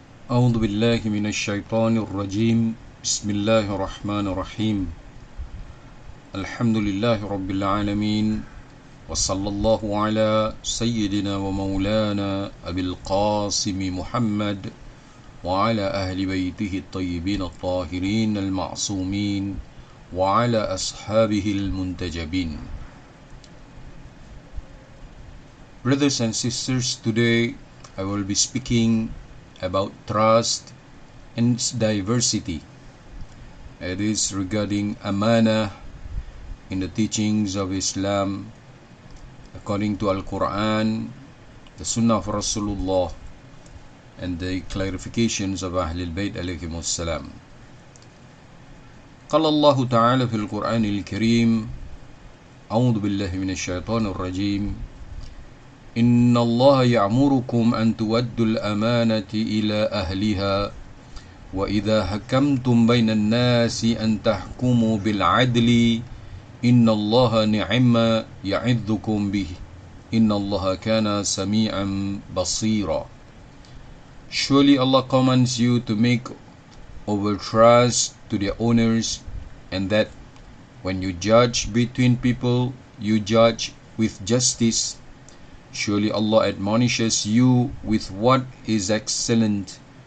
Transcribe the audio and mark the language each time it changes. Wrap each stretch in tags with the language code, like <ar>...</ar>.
<ar>أعوذ بالله من الشيطان الرجيم بسم الله الرحمن الرحيم الحمد لله رب العالمين وصلى الله على سيدنا ومولانا أبي القاسم محمد وعلى أهل بيته الطيبين الطاهرين المعصومين وعلى أصحابه المنتجبين.</ar> <en>Brothers and sisters, today I will be speaking about trust and its diversity. It is regarding amanah in the teachings of Islam according to Al-Quran, the Sunnah of Rasulullah, and the clarifications of Ahlul Bayt alayhim as-salam.</en> <ar>قَالَ اللَّهُ تَعَالَى فِي الْقُرْآنِ الْكَرِيمِ أَعُوذُ بِاللَّهِ مِنَ الشَّيْطَانِ الرَّجِيمِ إن الله يعمركم أن تودوا الأمانة إلى أهلها وإذا حكمتم بين الناس أن تحكموا بالعدل إن الله نعما يعظكم به إن الله كان سميعا بصيرا.</ar> <en>Surely Allah commands you to make over trust to their owners, and that when you judge between people, you judge with justice. Surely Allah admonishes you with what is excellent.</en>